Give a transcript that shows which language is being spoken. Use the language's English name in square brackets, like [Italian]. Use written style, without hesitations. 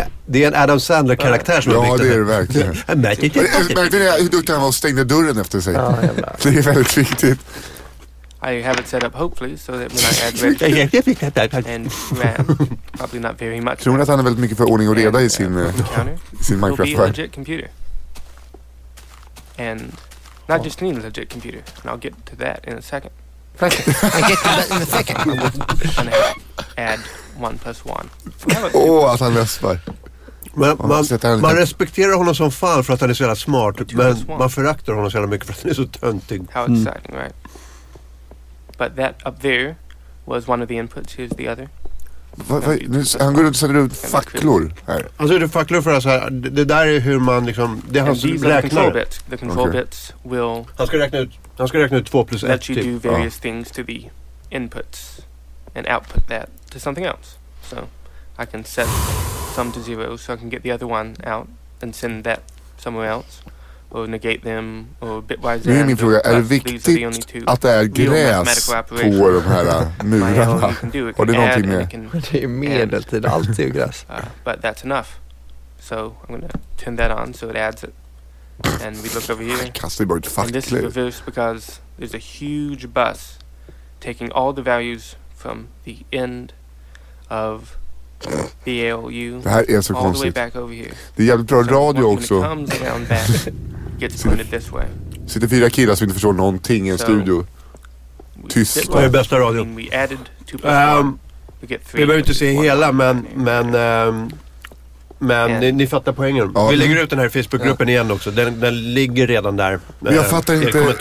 [Swedish] Det är en Adam Sandler-karaktär som har byggt. Ja, det är det verkligen. [English] Math is important. [Swedish] Märkte ni hur duktig han var att stänga dörren efter sig? Det är väldigt viktigt. [English] I have it set up, hopefully, so that when I add red and RAM, probably not very much. [Swedish] Tror ni att han har väldigt mycket för ordning och reda i sin Minecraft-värld? [English] It will be a legit computer. And not just any legit computer, and I'll get to that in a second. I'll get to that in a second. I'm gonna add 1 + 1. [Swedish] Åh, att han läspar. Man respekterar honom som fan för att han är så jävla smart, men man föraktar honom så jävla mycket för att han är så töntig. [English] How exciting, right? But that up there was one of the inputs, here's the other. [Swedish] Han går ut och sätter ut facklor här. Han sätter ut facklor för att det där är hur man liksom, det är hans räknare. [English] The control bits will... [Swedish] Han ska räkna ut 2 + 1 typ. [English] Let you do various things to the inputs and output that to something else. So I can set some to 0 so I can get the other one out and send that somewhere else. Or negate them or bitwise. [Swedish] Nu är min fråga, är det viktigt att det är gräs på de här murarna? Och det är någonting med det är medeltid, alltid gräs. [English] But that's enough. So I'm gonna turn that on so it adds it. And we look over here. [Swedish] Kastar bara ett facklor. [English] And this is reverse because there's a huge bus taking all the values from the end of the ALU all the way back over here. [Swedish] Det är jävligt bra radio också. [English] When it comes around back, gets pointed this way. [Swedish] Sitter fyra killar som inte förstår någonting i en studio. Tyst. Det är bästa radio. [English] We added two we get three, [Swedish] vi behöver inte se hela, men ni fattar poängen. Ja. Vi lägger ut den här Facebookgruppen igen också. Den ligger redan där. Jag fattar inte.